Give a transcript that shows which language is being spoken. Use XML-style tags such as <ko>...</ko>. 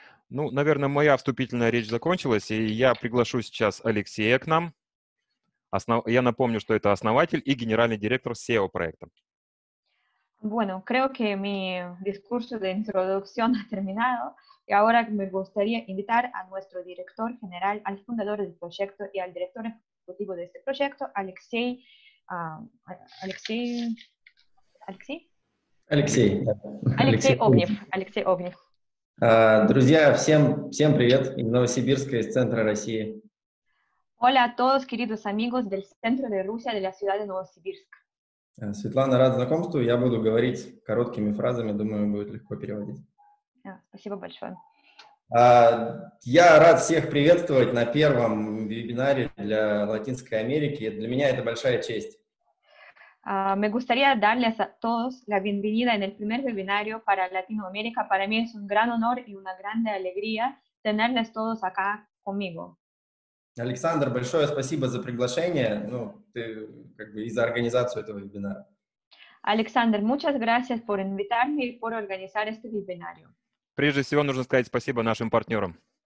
<ru>Ну, наверное, моя вступительная речь закончилась, и я приглашу сейчас Алексея к нам. Я напомню, что это основатель и генеральный директор SEO проекта.</ru> <es>Bueno, creo que mi discurso de introducción ha terminado y ahora me gustaría invitar a nuestro director general, al fundador del proyecto y al director ejecutivo de este proyecto, Alexei.</es> <ru>Алексей Огнев. Друзья, всем привет из Новосибирска, из центра России.</ru> <es>Hola a todos, queridos amigos del centro de Rusia, de la ciudad de Novosibirsk.</es> <ru>Светлана, рад знакомству. Я буду говорить короткими фразами, думаю, будет легко переводить. Спасибо большое. Я рад всех приветствовать на первом вебинаре для Латинской Америки. Для меня это большая честь.</ru> <es>Me gustaría darles a todos la bienvenida en el primer webinario para Latinoamérica. Para mí es un gran honor y una grande alegría tenerles todos acá conmigo.</es> <ru>Александр, большое спасибо за приглашение, ну, ты как бы и за организацию этого вебинара.</ru> <es>Александр, muchas gracias por invitarme y por organizar este вебинарио.</es> <ru>Прежде всего, нужно сказать спасибо нашим партнерам.</ru>